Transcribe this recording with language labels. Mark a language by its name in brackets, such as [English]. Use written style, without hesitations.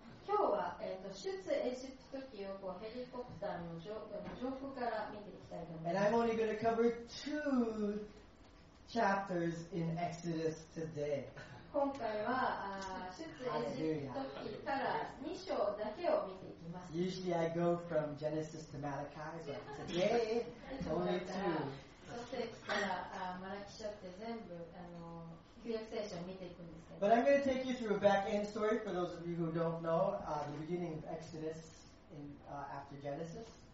[Japanese] 今日は、出エジプト記をこうヘリコプターの 上空から見ていきたいと思います。 [English] And I'm only going to cover two chapters in Exodus today. [Japanese] 今回は、出エジプト記から2章だけを見ていきます。 [English] Usually I go from Genesis to Malachi, but today, only two. [Japanese] そして、からマラキ書って全部、 [English] But I'm going to take you through a back end story for those of you who don't know the beginning of Exodus in, after Genesis.